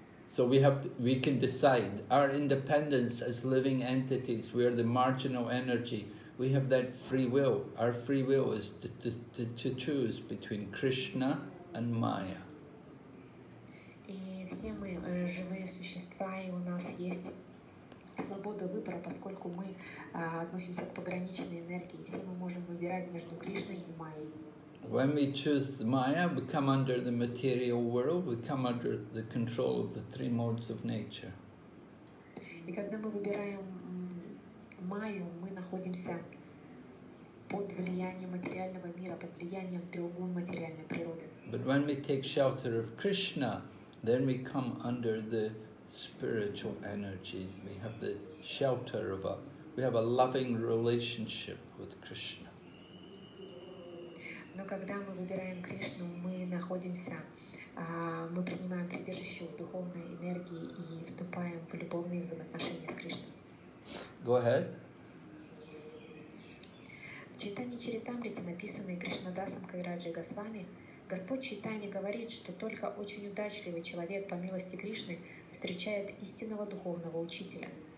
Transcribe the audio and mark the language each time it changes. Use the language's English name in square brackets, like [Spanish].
[English] So we can decide our independence as living entities. We are the marginal energy. We have that free will. Our free will is to choose between Krishna and Maya. [Russian] Свобода выбора, поскольку мы относимся к пограничной энергии, все мы можем выбирать между Кришной и Майей. [English] When we choose the Maya, we come under the material world, we come under the control of the three modes of nature. [Russian] И когда мы выбираем Майю, мы находимся под влиянием материального мира, под влиянием треугольной материальной природы. [English] But when we take shelter of Krishna, then we come under the spiritual energy. We have the shelter of we have a loving relationship with Krishna. [Russian] Но когда мы выбираем Кришну, мы находимся, мы принимаем прибежище в духовной энергии и вступаем в любовные взаимоотношения с Кришной. [English] Go ahead. [Russian] В Чайтанья Чаритамрите, написанной Кришнадасом Кавираджи Госвами, Господь Чайтанья говорит, что только очень удачливый человек по милости Кришны встречает истинного духовного учителя.